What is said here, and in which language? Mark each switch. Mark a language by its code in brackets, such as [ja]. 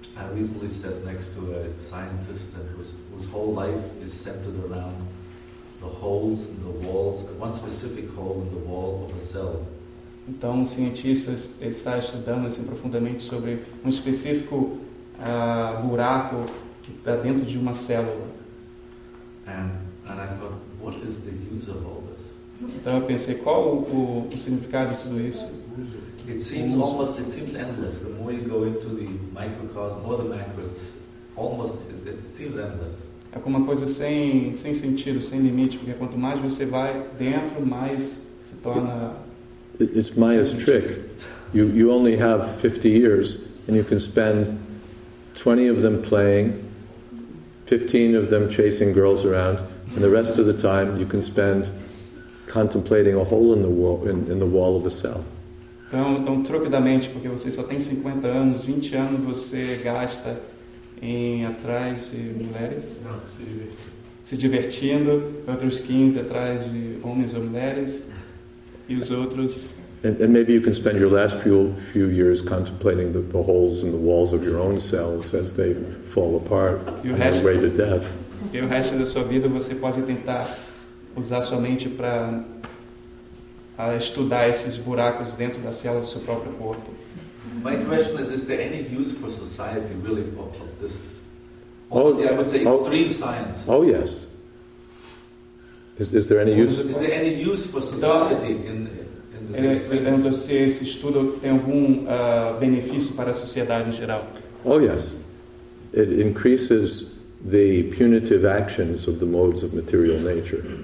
[en] I recently sat next to a scientist that was, whose whole life is centered around the holes in the walls, one specific hole in the wall of a cell. [pt] Então um cientista está estudando assim profundamente sobre um específico buraco que está dentro de uma célula. [en] And I thought, what is the use of all this? [pt] Então eu pensei, qual o significado de tudo isso? [en] It seems almost, it seems endless. The more you go into the microcosm or the macro, it's almost, it seems endless. [pt] É como uma coisa sem sentido, sem limite, porque quanto mais você vai dentro, mais se torna. [en] It's Maya's trick. You only have 50 years, and you can spend 20 of them playing, 15 of them chasing girls around, and the rest of the time you can spend contemplating a hole in the wall, in the wall of a cell. [pt] Então, é um truque da mente, porque você só tem 50 anos, 20 anos você gasta em atrás de mulheres, não, se divertindo, outros 15 atrás de homens ou mulheres, e os outros. [en] And maybe you can spend your last few years contemplating the holes in the walls of your own cells as they fall apart on their way to death. [pt] E o resto da sua vida você pode tentar usar sua mente para estudar esses buracos dentro da célula do seu próprio corpo. [en] My question is there any use for society really of this? Extreme science. Oh yes. Is there any use? Is there any use for society in? [pt] Ele pergunta se esse estudo tem algum benefício para a sociedade em geral. [en] Oh yes, it increases the punitive actions of the modes of material nature.